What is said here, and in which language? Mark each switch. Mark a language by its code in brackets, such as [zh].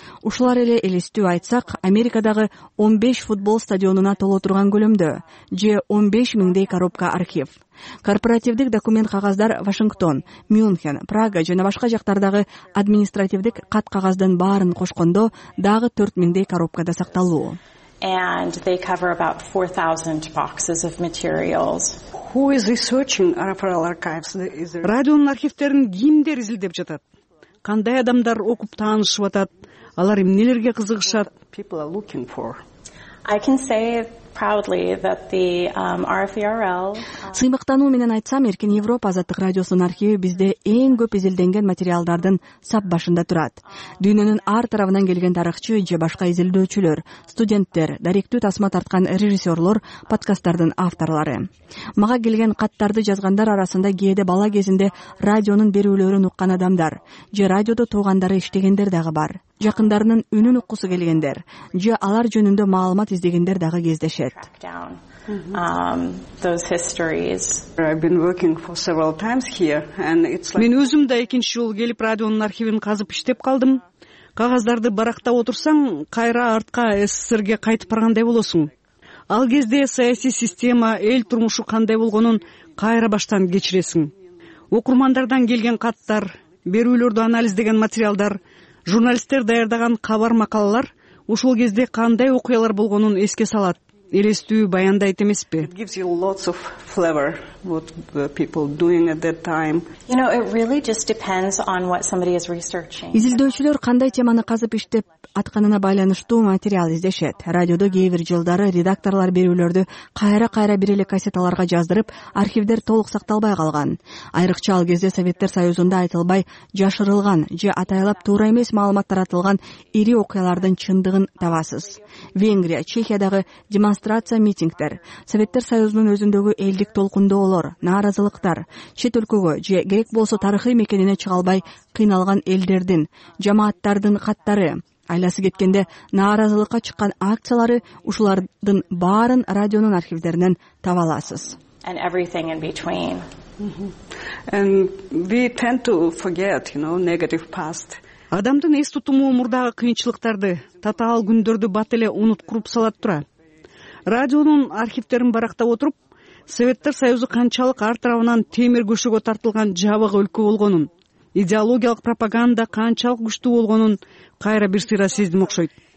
[ky] Ушулар эле элестүү айтсак, Америкадагы 15 футбол стадионуна толо турган көлөмдө же 15 миңдей коробка архив. Корпоративдик документ кагаздар Вашингтон, Мюнхен, Прага жана башка жактардагы административдик кат кагаздын баарын кошкондо дагы 4 миңдей коробкада сакталуу. [en] And they cover about 4,000 boxes of materials. Who is researching RFRL archives? [ky] Радионун архивдерин кимдер изилдеп жатат? Кандай адамдар окуп таанышып атат? Алар эмнелерге кызыгышат? [en] People are looking for. I can say proudly that the RFRL. [ky] Сыймыктануу менен айтсам, Эркин Европа Азаттык радиосунун архиви бизде эң көп изилденген материалдардын сап башында турат. Дүйнөнүн ар тарабынан келген тарыхчы же башка изилдөөчүлөр, студенттер, даректүү тасма тарткан режиссерлор, подкасттардын авторлары. Мага келген каттарды жазгандар арасында кээде бала кезинде радионун берүүлөрүн уккан адамдар же радиодо туугандары иштегендер дагы бар. Жакындарынын үнүн уккусу келгендер же алар жөнүндө маалымат издегендер дагы кездешет. Мен өзүм да экинчи жолу келип радионун архивин казып иштеп калдым. Кагаздарды барактап отурсаң, кайра артка СССРге кайтып баргандай болосуң. Ал кезде саясий система, эл турмушу кандай болгонун кайра баштан кечиресиң. Окурмандардан келген каттар, берүүлөрдү анализдеген материалдар, журналисттер даярдаган кабар макалалар ушул кезде кандай окуялар болгонун эске салат, элестүү баяндайт эмеспи? [en] It gives you lots of flavor what people doing at that time. You know, it really just depends on what somebody is researching. [ky] Изилдөөчүлөр кандай теманы казып иштеп атканына байланыштуу материал издешет. Радиодо кээ бир жылдары редакторлор берүүлөрдү кайра-кайра бир эле кассеталарга жаздырып, архивдер толук сакталбай калган. Айрыкча ал кезде Советтер Союзунда айтылбай жашырылган же атайлап туура эмес маалымат таратылган ири окуялардын чындыгын табасыз. Венгрия, Чехиядагы демонстрация, митингдер, Советтер Союзунун өзүндөгү элдик толкундоолор, нааразылыктар, чет өлкөгө же керек болсо тарыхый мекенине чыга албай кыйналган элдердин, жамааттардын каттары, айласы кеткенде нааразылыкка чыккан акциялары, ушулардын баарын радионун архивдеринен таба аласыз. [en] And everything in between. And we tend to forget, you know, negative past. [ky] Адамдын эс тутуму мурдагы кыйынчылыктарды, татаал күндөрдү бат эле унуткуруп салат турат. Радионун архивдерин барактап отуруп, Советтер Союзу канчалык ар тарабынан темир көшөгө тартылган жабык өлкө болгонун, идеологиялык пропаганда канчалык күчтүү болгонун кайра бир сыйра сездим окшойт.